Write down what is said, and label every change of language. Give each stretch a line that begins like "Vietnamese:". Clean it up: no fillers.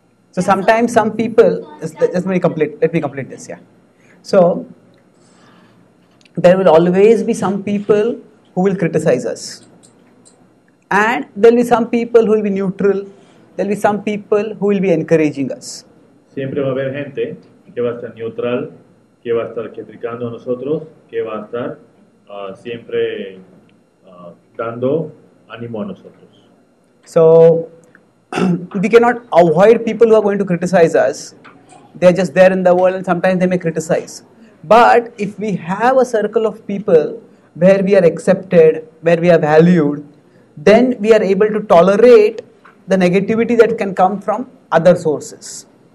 English: So sometimes some people, let me complete this, yeah. So, there will always be some people who will criticize us. And there will be some people who will be neutral. There will be some people who will be encouraging us.
Spanish: Siempre va a haber gente que va a estar neutral, que va a estar criticando a nosotros, que va a estar siempre dando ánimo a nosotros.
English: So, we cannot avoid people who are going to criticize us. They are just there in the world and sometimes they may criticize. But if we have a circle of people where we are accepted, where we are valued, then we are able to tolerate the negativity that can come from other sources.